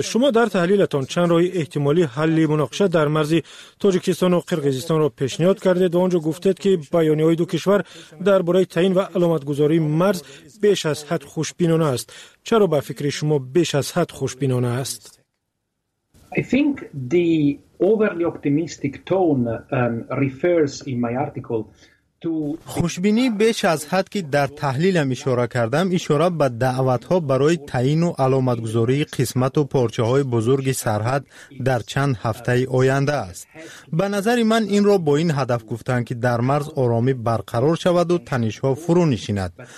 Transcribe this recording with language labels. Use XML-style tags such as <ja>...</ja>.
<fa>شما در تحلیلتان چند راه احتمالی حل مناقشه در مرز تاجیکستان و قرقیزستان را پیشنهاد کردید و آنجا گفتید که بیانیه‌های دو کشور درباره تعیین و علامت‌گذاری مرز بیش از حد خوشبینانه است. چرا به فکر شما بیش از حد خوشبینانه است؟</fa> <en>I think the overly optimistic tone refers in my article.</en> <fa>خوشبینی بیش از حد که در تحلیلم اشاره کردم، اشاره به دعوت‌ها برای تعیین و علامت‌گذاری قسمت و پارچه‌های بزرگ سرحد در چند هفته آینده است. به نظر من این را با این هدف گفتند که در مرز آرامی برقرار شود و تنش‌ها فرو نشیند.</fa>